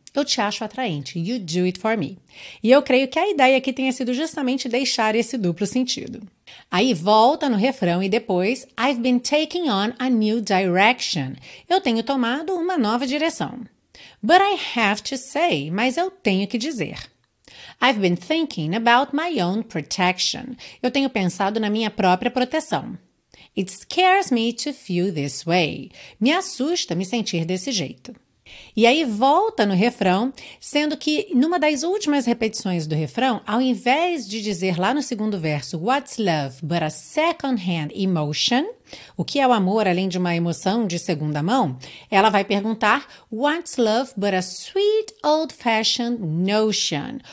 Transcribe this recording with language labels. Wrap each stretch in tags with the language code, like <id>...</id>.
<pt>Eu te acho atraente.</pt> <en>You do it for me.</en> <pt>E eu creio que a ideia aqui tenha sido justamente deixar esse duplo sentido. Aí volta no refrão e depois,</pt> <en>I've been taking on a new direction.</en> <pt>Eu tenho tomado uma nova direção.</pt> <en>But I have to say,</en> <pt>mas eu tenho que dizer.</pt> <en>I've been thinking about my own protection.</en> <pt>Eu tenho pensado na minha própria proteção.</pt> <en>It scares me to feel this way.</en> <pt>Me assusta me sentir desse jeito. E aí volta no refrão, sendo que numa das últimas repetições do refrão, ao invés de dizer lá no segundo verso,</pt> <en>What's love but a second-hand emotion?</en> <pt>O que é o amor além de uma emoção de segunda mão? Ela vai perguntar,</pt> <en>What's love but a sweet old-fashioned notion?</en>